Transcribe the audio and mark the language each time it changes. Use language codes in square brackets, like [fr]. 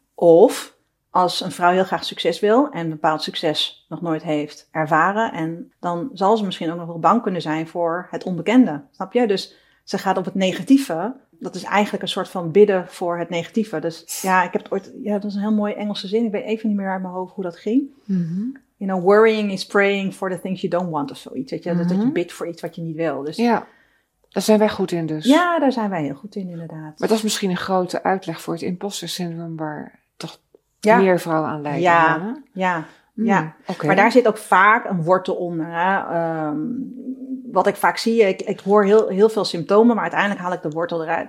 [nl] Of als een vrouw heel graag succes wil en bepaald succes nog nooit heeft ervaren, en dan zal ze misschien ook nog wel bang kunnen zijn voor het onbekende. Snap je? Dus ze gaat op het negatieve. Dat is eigenlijk een soort van bidden voor het negatieve. Dus ja, ik heb het ooit. Ja, dat is een heel mooie Engelse zin. Ik weet even niet meer uit mijn hoofd hoe dat ging. Mm-hmm. [en] You know, worrying is praying for the things you don't want [nl] of zoiets. Weet je? Mm-hmm. Dat je bidt voor iets wat je niet wil. Dus, ja, daar zijn wij goed in dus. Ja, daar zijn wij heel goed in inderdaad. Maar dat is misschien een grote uitleg voor het imposter syndroom, waar toch meer vrouwen aan lijden. Ja, ja, ja. Okay. Maar daar zit ook vaak een wortel onder. Hè? Wat ik vaak zie, ik hoor heel, heel veel symptomen, maar uiteindelijk haal ik de wortel eruit.